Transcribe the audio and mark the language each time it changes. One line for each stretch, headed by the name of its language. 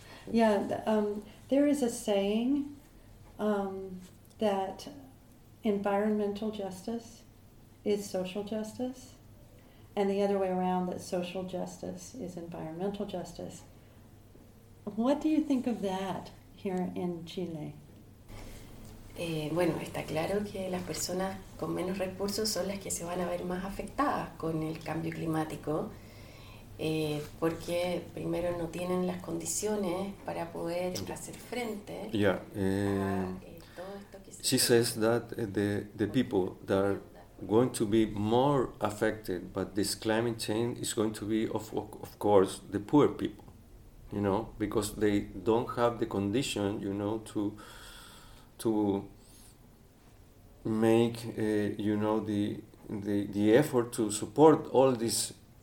English: Yeah, there is a saying that environmental justice is social justice, and the other way around, that social justice is environmental justice. What do you think of that here in Chile?
Spanish: Bueno, está claro que las personas con menos recursos son las que se van a ver más afectadas con el cambio climático, porque primero no tienen las condiciones para poder hacer frente.
English: Yeah.
Spanish: Todo esto que
English: she says that the people that are going to be more affected by this climate change is going to be of course the poor people, you know, because they don't have the condition, you know, to make you know the effort to support all these